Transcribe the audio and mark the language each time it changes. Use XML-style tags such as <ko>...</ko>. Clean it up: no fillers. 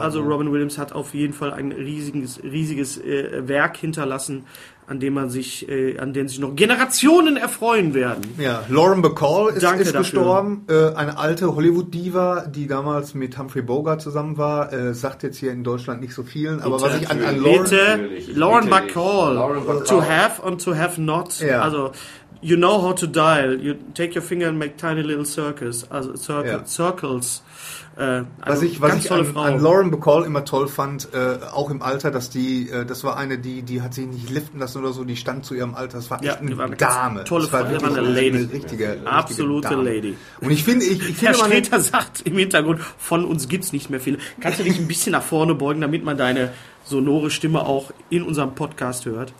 <de>Also Robin Williams hat auf jeden Fall ein riesiges Werk hinterlassen, an dem sich noch Generationen erfreuen werden. Ja, Lauren Bacall ist gestorben. Eine alte Hollywood-Diva, die damals mit Humphrey Bogart zusammen war, sagt jetzt hier in Deutschland nicht so vielen. Aber was ich an</de> <en>Lauren Bacall, to have and to have not.</en> <de>Ja.</de> <en>Also, you know how to dial. You take your finger and make tiny little circles.</en> <de>Also circles. Was ich an Lauren Bacall immer toll fand, auch im Alter, dass die, das war eine, die hat sich nicht liften lassen oder so, die stand zu ihrem Alter, das war echt eine Dame. Tolle Frau, das war eine Lady. Eine richtige, absolute richtige Lady. Und ich finde, Herr Sträter sagt im Hintergrund, von uns gibt's nicht mehr viele. Kannst du dich ein bisschen nach vorne beugen, damit man deine sonore Stimme auch in unserem Podcast hört?</de>